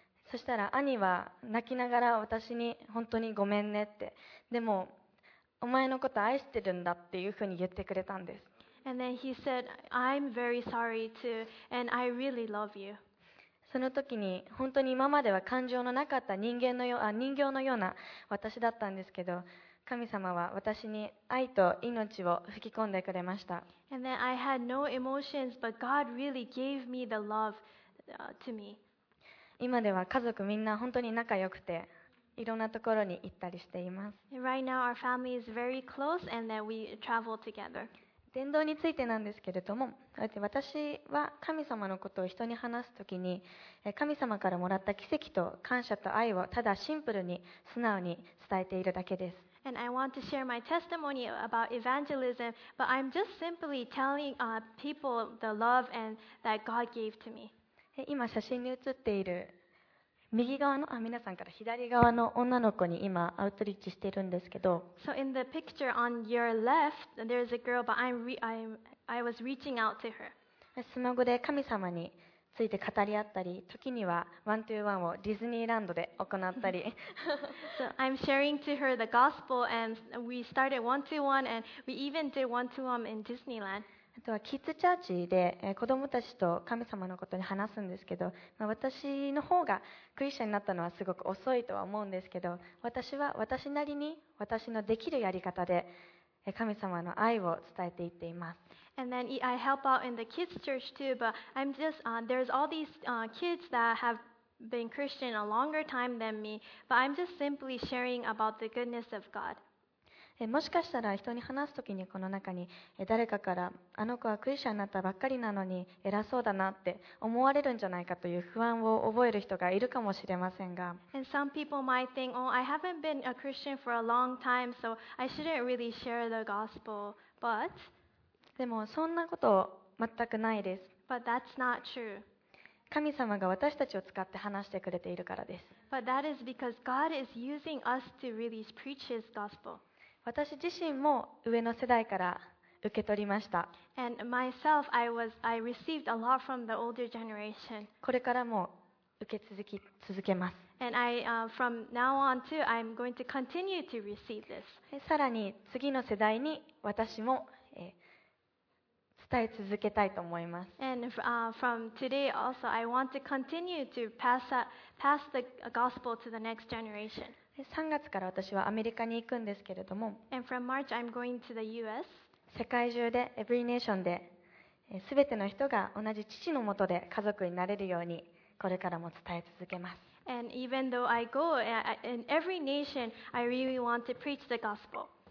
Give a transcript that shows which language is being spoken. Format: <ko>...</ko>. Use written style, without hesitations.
<ja>そしたら兄は泣きながら私に本当にごめんねって、でもお前のこと愛してるんだっていうふうに言ってくれたんです。</ja> <en>And then he said, "I'm very sorry too, and I really love you."</en> <ja>その時に本当に今までは感情のなかった人間のよう、人形のような私だったんですけど、神様は私に愛と命を吹き込んでくれました。</ja> <en>And then I had no emotions, but God really gave me the love to me.</en> <ja>今では家族みんな本当に仲良くて、いろんなところに行ったりしています。</ja> <en>Right now, our family is very close, and then we travel together.</en> <ja>伝道についてなんですけれども、私は神様のことを人に話すときに、神様からもらった奇跡と感謝と愛をただシンプルに素直に伝えているだけです。</ja> <en>And I want to share my testimony about evangelism, but I'm just simply telling people the love and that God gave to me.</en> <ja>今写真に写っている右側の、皆さんから左側の女の子に今アウトリーチしているんですけど、</ja> <en>So in the picture on your left, there's a girl, but I was reaching out to her.</en> <ja>スマホで神様について語り合ったり、時にはワントゥーワンをディズニーランドで行ったり。</ja> <en>So I'm sharing to her the gospel and we started one to one and we even did one to one in Disneyland.</en> <ja>あとはキッズチャーチで子供たちと神様のことに話すんですけど、私の方がクリスチャンになったのはすごく遅いとは思うんですけど、私は私なりに私のできるやり方で神様の愛を伝えていっています。</ja> <en>And then I help out in the kids church too, but I'm just, there's all these kids that have been Christian a longer time than me, but I'm just simply sharing about the goodness of God.</en> <ja>もしかしたら人に話すときにこの中に誰かから、あの子はクリスチャンになったばっかりなのに偉そうだなって思われるんじゃないかという不安を覚える人がいるかもしれませんが、</ja> <en>And some people might think, oh, I haven't been a Christian for a long time, so I shouldn't really share the gospel, but</en> <ja>でもそんなこと全くないです。</ja> <en>But that's not true.</en> <ja>神様が私たちを使って話してくれているからです。</ja> <en>But that is because God is using us to really preach His gospel.</en> <ja>私自身も上の世代から受け取りました。</ja> <en>And myself, I received a lot from the older generation.</en> <ja>これからも受け続けます。</ja> <en>And I, from now on too, I'm going to continue to receive this.</en> <ja>さらに次の世代に私も伝え続けたいと思います。</ja> <en>And from today also, I want to continue to pass the gospel to the next generation.</en> <ja>3月から私はアメリカに行くんですけれども。</ja> <en>And from March, I'm going to the U.S.</en> <ja>世界中で、</ja> <en>every nation</en> <ja>で、すべての人が同じ父のもとで家族になれるようにこれからも伝え続けます。</ja> <en>And even though I go in every nation, I really want to preach the gospel.</en>